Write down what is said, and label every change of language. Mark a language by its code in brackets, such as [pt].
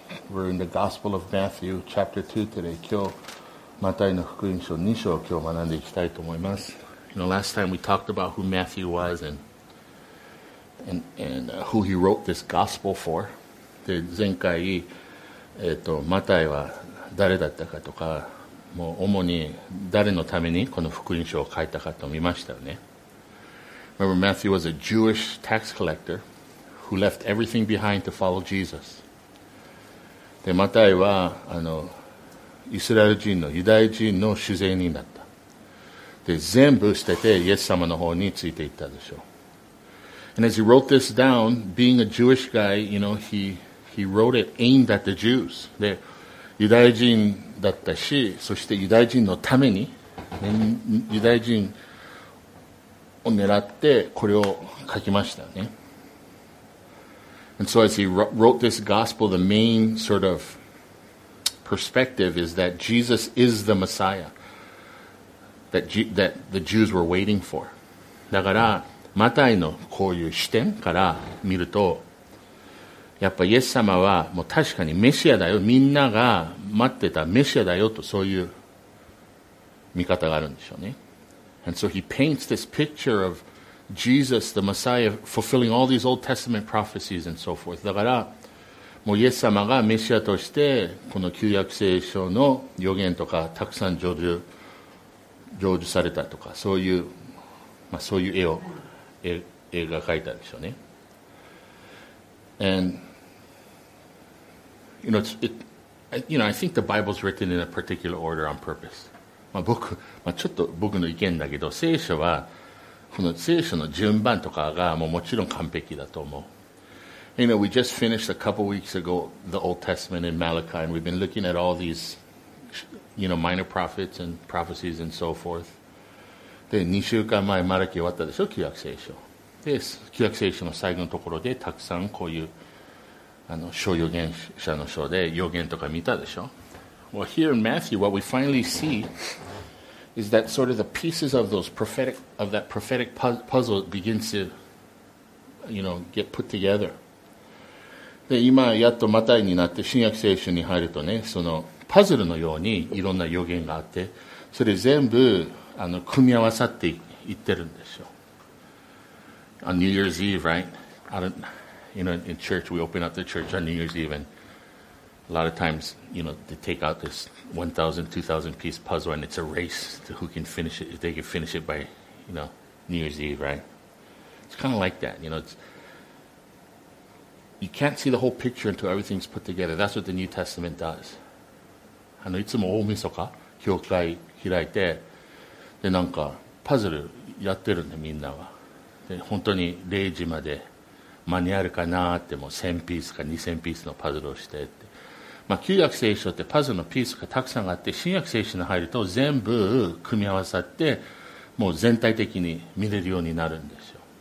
[en] We're in the Gospel of Matthew, chapter 2 today. [ja] 今日、マタイの福音書2章を今日学んでいきたいと思います。 [en] You know, last time we talked about who Matthew was and who he wrote this Gospel for. [ja] で、前回、マタイは誰だったかとか、もう主に誰のためにこの福音書を書いたかと見ましたよね。 [en] Remember, Matthew was a Jewish tax collector who left everything behind to follow Jesus. [ja] で、マタイは、イスラエル人のユダヤ人の主税人だった。で、全部捨てて、イエス様の方についていったでしょう。 [en] And as he wrote this down, being a Jewish guy, you know, he wrote it aimed at the Jews. [ja] で、ユダヤ人だったし、そしてユダヤ人のために、ね、ユダヤ人を狙ってこれを書きましたね。 [en] And so as he wrote this gospel, the main sort of perspective is that Jesus is the Messiah that the Jews were waiting for. [ja] だから、マタイのこういう視点から見ると、やっぱイエス様はもう確かにメシアだよ。みんなが待ってたメシアだよとそういう見方があるんでしょうね。 [en] And so he paints this picture of Jesus, the Messiah, fulfilling all these Old Testament prophecies and so forth. [ja] だから、もうイエス様がメシアとして、この旧約聖書の予言とか、たくさん成就されたとか、そういう、まあ、そういう絵が描いたんでしょうね。 [en] And, you know, I think the Bible's written in a particular order on purpose. [ja] まあ、僕、まあ、ちょっと僕の意見だけど、聖書はこの聖書の順番とかが もちろん完璧だと思う。 [en] You know, we just finished a couple weeks ago the Old Testament in Malachi, and we've been looking at all these, you know, minor prophets and prophecies and so forth. [ja] で、2週間前マラキ終わったでしょ、旧約聖書。で、旧約聖書の最後のところでたくさんこういう小預言者の書で預言とか見たでしょ。 [en] Well, here in Matthew, what we finally see is that sort of the pieces of those prophetic of that prophetic puzzle begins to, you know, get put together. [ja] で、今やっとマタイになって新約聖書に入るとね、そのパズルのようにいろんな予言があって、それ全部組み合わさっていってるんでしょう。 [en] On New Year's Eve, right? In church, we open up the church on New Year's Eve and. A lot of times, you know, they take out this 1,000, 2,000 piece puzzle and it's a race to who can finish it, if they can finish it by, you know, New Year's Eve, right? It's kind of like that, you know. You can't see the whole picture until everything's put together. That's what the New Testament does. [ja] いつも大晦日、教会開いて、で、なんかパズルやってるんで、みんなは。で、本当に0時まで間に合うかなっても1000ピースか2000ピースのパズルをしてって。まあ、旧約聖書ってパズルのピースがたくさんあって、新約聖書に入ると全部組み合わさって、もう全体的に見れるようになるんですよ。